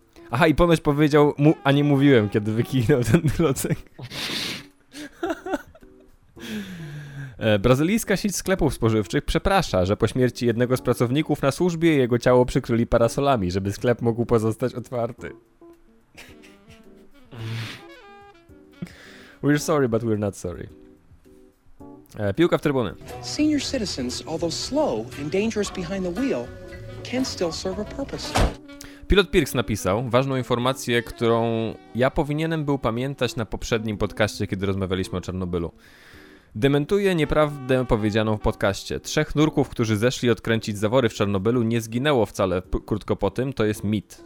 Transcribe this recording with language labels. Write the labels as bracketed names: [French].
[Polish] Aha, i ponoć powiedział mu, a nie mówiłem, kiedy wykichnął ten klocek. Brazylijska sieć sklepów spożywczych przeprasza, że po śmierci jednego z pracowników na służbie jego ciało przykryli parasolami, żeby sklep mógł pozostać otwarty. [English] We're sorry, but we're not sorry. [Polish] Piłka w trybuny. [English] Senior citizens, although slow and dangerous behind the wheel, can still serve a purpose. [Polish] Pilot Pirks napisał ważną informację, którą ja powinienem był pamiętać na poprzednim podcaście, kiedy rozmawialiśmy o Czarnobylu. Dementuje nieprawdę powiedzianą w podcaście. 3 nurków, którzy zeszli odkręcić zawory w Czarnobylu, nie zginęło wcale krótko po tym, to jest mit.